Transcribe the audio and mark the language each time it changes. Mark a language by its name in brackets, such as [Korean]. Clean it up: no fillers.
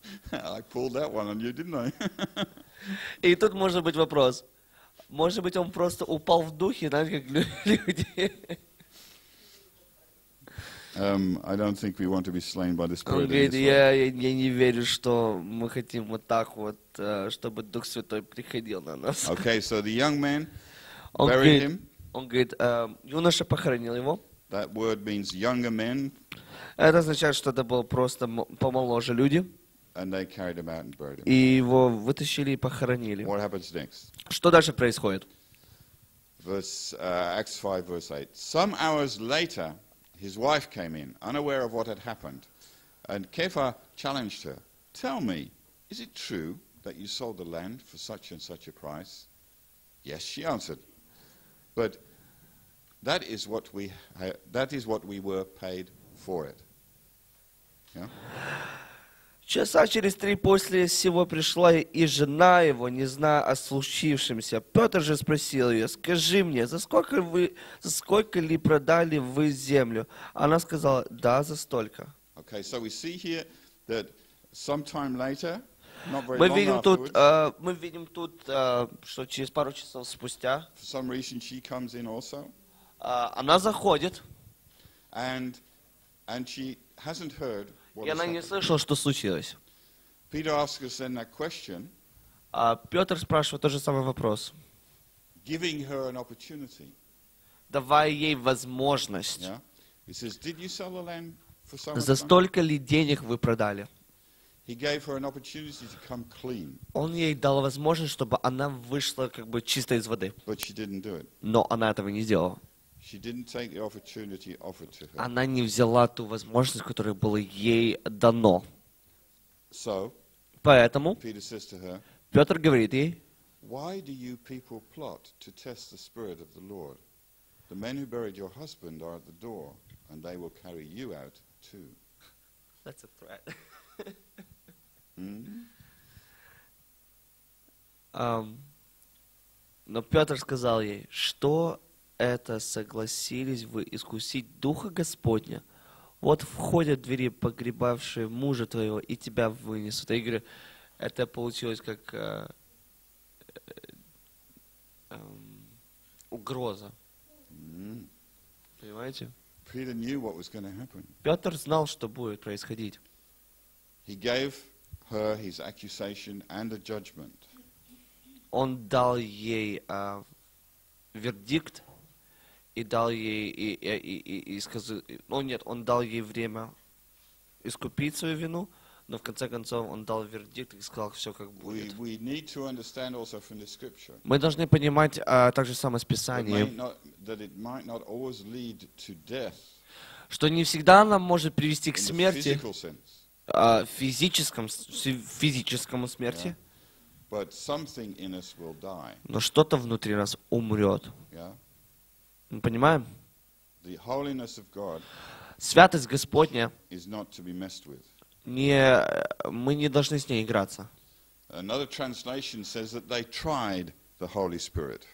[English] I pulled that one on you, didn't I? [Russian] И тут может быть вопрос. Может быть, он просто упал в духе, знаете, как люди. [English] I don't think we want to be slain by the Spirit. [Russian] Он говорит, я не верю, что мы хотим вот так вот, чтобы Дух Святой приходил на нас. [English] Okay, so the young man buried him. [Russian] Он говорит, юноша похоронил его. [English] That word means younger men. [Russian] Это означает, что это было просто помоложе люди. [English] And they carried him out and buried him. [Russian] И его вытащили и похоронили. [English] What happens next? [Russian] Что дальше происходит? [English] Acts 5, verse 8. Some hours later, his wife came in, unaware of what had happened. And Кефа challenged her. Tell me, is it true that you sold the land for such and such a price? Yes, she answered. But that is what we were paid for it. Yeah? [Russian] Часа через три после сего пришла и жена его, не зная о случившемся. Петр же спросил ее, скажи мне, за сколько ли продали вы землю? Она сказала, да, за столько. [English] Okay, so we see here that sometime later, [Russian] мы видим тут, что через пару часов спустя [English] for some reason she comes in also. [Russian] Она заходит, [English] and she hasn't heard what [Russian] и она не слышала, что случилось. [English] Peter asks then that question, [Russian] Петр спрашивает тот же самый вопрос, [English] giving her an opportunity. [Russian] Давая ей возможность. [English] Yeah? He says, did you sell the land for so much? [Russian] За столько ли денег вы продали? [English] He gave her an opportunity to come clean. [Russian] Он ей дал возможность, чтобы она вышла как бы чистой из воды. [English] But she didn't do it. [Russian] Но она этого не сделала. [English] She didn't take the opportunity offered to her. [Russian] Она не взяла ту возможность, которая была ей дано. [English] So, [Russian] поэтому [English] Peter says to her, [Russian] Петр говорит ей, [English] why do you people plot to test the Spirit of the Lord? The men who buried your husband are at the door, and they will carry you out too. That's a threat. [Russian] Но Петр сказал ей, что это согласились вы искусить Духа Господня? Вот входят двери, погребавшие мужа твоего, и тебя вынесут. Я говорю, это получилось как угроза. Понимаете? [English] Peter knew what was going to happen. [Russian] Петр знал, что будет происходить. [English] He gave her his accusation and a judgment. [Russian] Он дал ей вердикт и дал ей он дал ей время искупить свою вину, но в конце концов он дал вердикт и сказал, все как будет. [English] We need to understand also from the scripture. [Russian] Мы должны понимать также само с Писанием, [English] that it might not always lead to death. [Russian] Что не всегда нам может привести к смерти. Физическому смерти. [English] Yeah. But something in us will die. [Russian] Но что-то внутри нас умрет. [English] Yeah. [Russian] Мы понимаем? [English] The holiness of God, [Russian] святость Господня, [English] is not to be messed with. [Russian] Мы не должны с ней играться. [English] Another translation says that they tried the Holy Spirit.